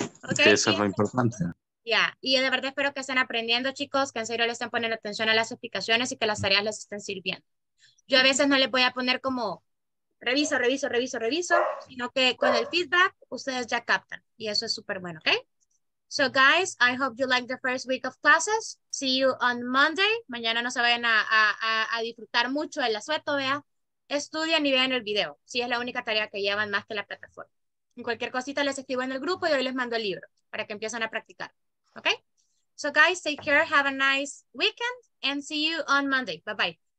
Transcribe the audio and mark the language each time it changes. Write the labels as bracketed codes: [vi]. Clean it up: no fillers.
[es] Okay, eso es lo importante. Ya, yeah. Y de verdad espero que estén aprendiendo, chicos, que en serio le estén poniendo atención a las explicaciones y que las tareas les estén sirviendo. Yo a veces no le voy a poner como reviso, sino que con el feedback ustedes ya captan. Y eso es súper bueno, ¿ok? [en] So, guys, I hope you like the first week of classes. See you on Monday. [es] Mañana no se vayan a disfrutar mucho del asueto, vea. Estudian y vean el video. Sí, es la única tarea que llevan más que la plataforma. En cualquier cosita les escribo en el grupo y hoy les mando el libro para que empiecen a practicar. ¿Ok? [en] So, guys, take care. Have a nice weekend. And see you on Monday. Bye-bye.